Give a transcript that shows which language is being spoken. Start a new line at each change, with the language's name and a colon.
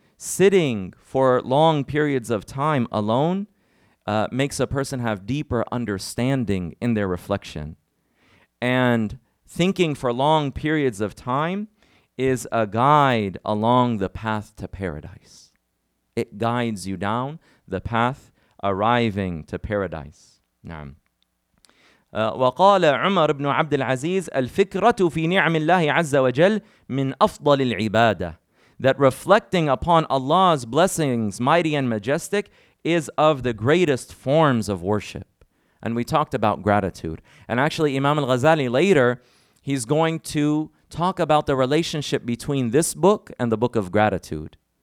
English: sitting for long periods of time alone makes a person have deeper understanding in their reflection. And thinking for long periods of time is a guide along the path to paradise. It guides you down the path arriving to paradise.
Arabic: نعم. وقال عمر بن عبد العزيز الفكرة في نعم الله عز وجل من أفضل العبادة.
English: That reflecting upon Allah's blessings, mighty and majestic, is of the greatest forms of worship. And we talked about gratitude. And actually, Imam al-Ghazali later, he's going to talk about the relationship between this book and the book of gratitude.